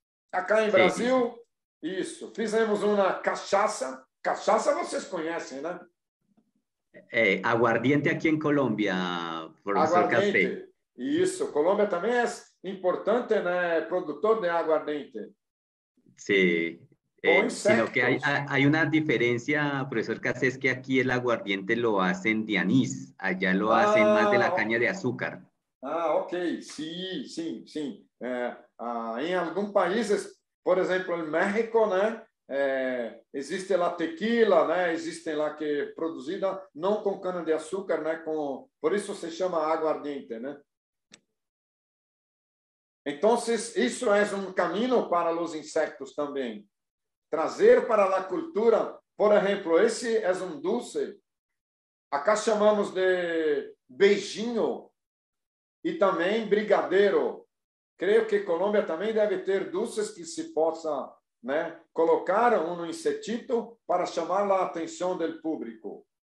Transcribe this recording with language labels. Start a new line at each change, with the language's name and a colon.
Portuguese: Acá em Brasil, isso. Fizemos uma cachaça. Cachaça vocês conhecem, né? Aguardiente aqui em Colômbia, professor Café. Isso. Colômbia também é importante, né? Produtor de aguardiente. Sim.
Spanish: Sino que hay una diferencia, profesor Cass, es que aquí el aguardiente lo hacen de anís, allá lo hacen más de la caña de azúcar. Ok, sí. En algunos países, por ejemplo, en México, ¿no? Existe la tequila, ¿no? Existe la que es producida no con caña de azúcar, ¿no? Por eso se llama aguardiente, ¿no? Entonces, eso es un camino para los insectos también.
Portuguese: Trazer para a cultura, por exemplo, esse é um dulce. Acá chamamos de beijinho e também brigadeiro. Creio que Colômbia também deve ter dulces que se possa, né, colocar um insetito para chamar a atenção do público.